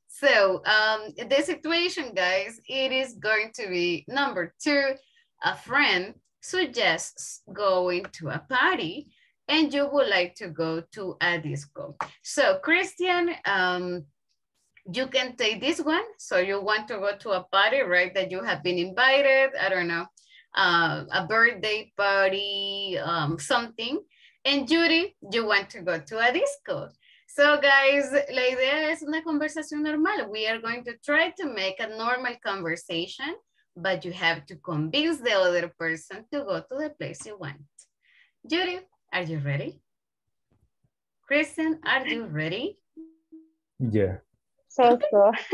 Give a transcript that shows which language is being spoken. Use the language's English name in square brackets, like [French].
[English] So the situation, guys, it is going to be number two, a friend suggests going to a party and you would like to go to a disco. So Christian, you can take this one. So you want to go to a party, right? That you have been invited, I don't know, a birthday party, something. And Judy, you want to go to a disco. [Spanish] So guys, la idea es una conversación normal. [English] We are going to try to make a normal conversation, but you have to convince the other person to go to the place you want. Judy, are you ready? Kristen, are you ready? Yeah. So, so.